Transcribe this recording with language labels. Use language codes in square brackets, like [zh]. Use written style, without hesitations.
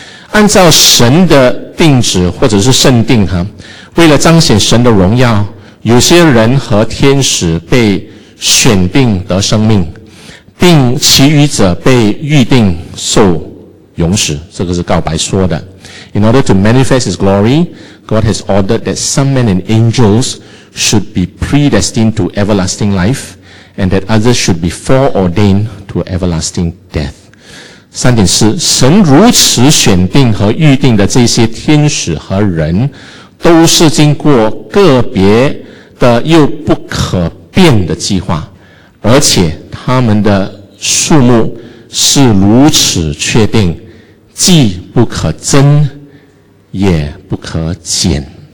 [zh] 按照神的定旨或者是圣定哈，为了彰显神的荣耀，有些人和天使被选定得生命，并其余者被预定受永死。这个是告白说的。 [en] In order to manifest his glory, God has ordered that some men and angels should be predestined to everlasting life and that others should be foreordained to everlasting death. [zh] 3.4, 神如此选定和预定的这些天使和人都是经过个别的又不可变的计划，而且他们的数目是如此确定，既不可增也不可减。